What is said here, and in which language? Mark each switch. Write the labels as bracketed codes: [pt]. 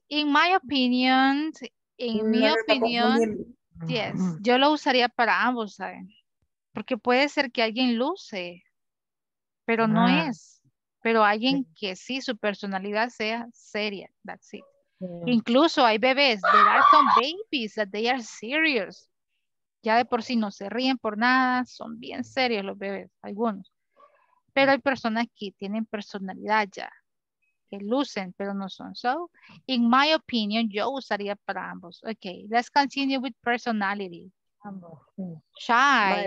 [en] In my opinion, yes, [es] yo lo usaría para ambos, ¿saben? Porque puede ser que alguien luce, pero no es. Pero alguien que sí, su personalidad sea seria. [en] That's it. Yeah. [es] Incluso hay bebés. [en] There are some babies that they are serious. [es] Ya de por sí no se ríen por nada. Son bien serios los bebés. Algunos. Pero hay personas que tienen personalidad ya. Que lucen, pero no son. [en] So, in my opinion, [es] yo usaría para ambos. [en] Okay, let's continue with personality. Shy.